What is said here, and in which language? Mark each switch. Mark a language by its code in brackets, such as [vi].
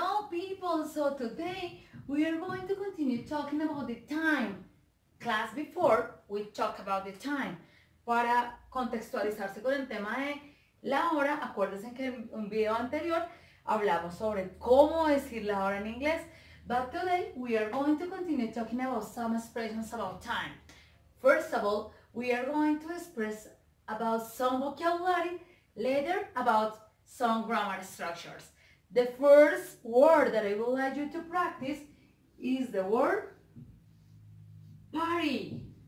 [en] people, so today we are going to continue talking about the time. Class before, we talked about the time. [es] Para contextualizarse con el tema de la hora, acuérdense que en un video anterior hablamos sobre cómo decir la hora en inglés. [en] But today we are going to continue talking about some expressions about time. First of all, we are going to express about some vocabulary, later about some grammar structures. The first word that I would like you to practice is the word party.